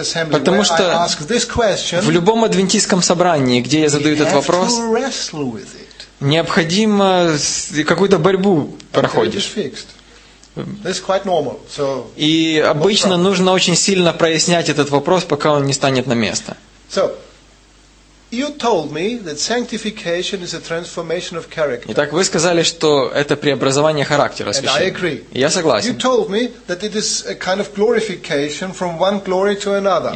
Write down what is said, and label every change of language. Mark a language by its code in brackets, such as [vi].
[ru] Потому что в любом адвентистском собрании, где я задаю этот вопрос, необходимо какую-то борьбу проходить. [en] This is quite normal. So, [ru] и обычно нужно очень сильно прояснять этот вопрос, пока он не станет на место. [en] So, you told me that sanctification is a transformation of character. [ru] Итак, вы сказали, что это преобразование характера священника. [en] And I agree. [ru] Я согласен. [en] You told me that it is a kind of glorification from one glory to another.